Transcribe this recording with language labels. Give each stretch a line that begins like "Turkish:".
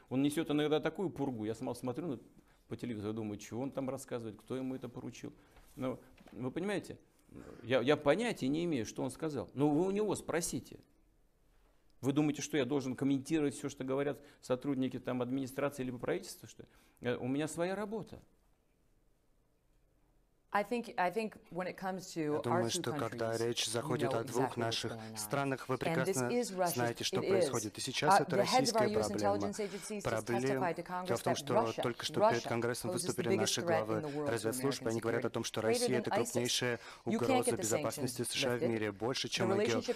Russian: Он несет иногда такую пургу. Я сам смотрю по телевизору, думаю, чего он там рассказывает, кто ему это поручил. Но вы понимаете? Я понятия не имею, что он сказал. Но вы у него спросите. Вы думаете, что я должен комментировать все, что говорят сотрудники там администрации либо правительства? Что у меня своя работа.
English: I think when it comes to our two countries,
Russian: что когда речь заходит о двух наших странах, вы прекрасно знаете, что происходит. И сейчас это российская проблема. Проблема в том, что только что перед Конгрессом выступили наши главы разведслужбы. Они говорят о том, что Россия – это крупнейшая угроза безопасности США в мире. Больше, чем ИГИЛ.